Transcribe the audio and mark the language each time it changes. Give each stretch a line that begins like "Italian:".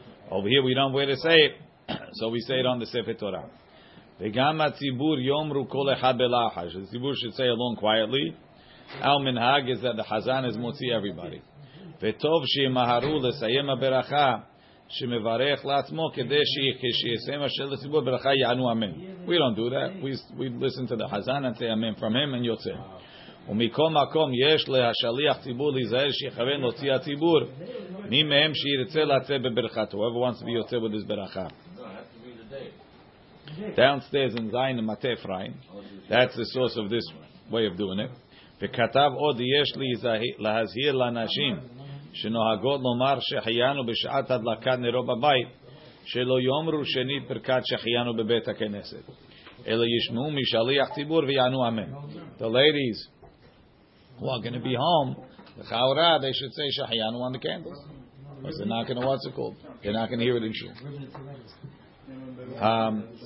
English: Over here we don't wear to say it. So we say it on the Sefer Torah.
Hebrew: וגם הציבור יאמרו כל אחד בלחש.
English: The ציבור should say alone quietly. Our מנהג is that the Hazan is מוציא everybody.
Hebrew: וטוב שימהרו לסיים הברכה שמברך לעצמו כדי שכשיסיים השאל לציבור ברכה יענו אמן.
English: We don't do that. We listen to the Hazan and say amen from him and יוצא.
Hebrew: ומכל מקום יש להשליח ציבור להיזהר שיכוון להוציא הציבור מי מהם שירצה לצא בברכתו.
English: Whoever wants to be יוצא with this ברכה. Downstairs in Zion and Mateh Ephraim. That's the source of this way of doing it.
Hebrew: וכתב עוד יש להזהיר לאנשים שנוהגות לומר שחיינו בשעת הדלקת נרו בבית שלא יאמרו שנית ברכת שחיינו בבית הכנסת אלא ישמעו משליח ציבור ויענו אמן.
English: The ladies who are going to be home, the chaura, they should say shachianu on the candles. Because they're not going to, what's it called? They're not going to hear it in shul.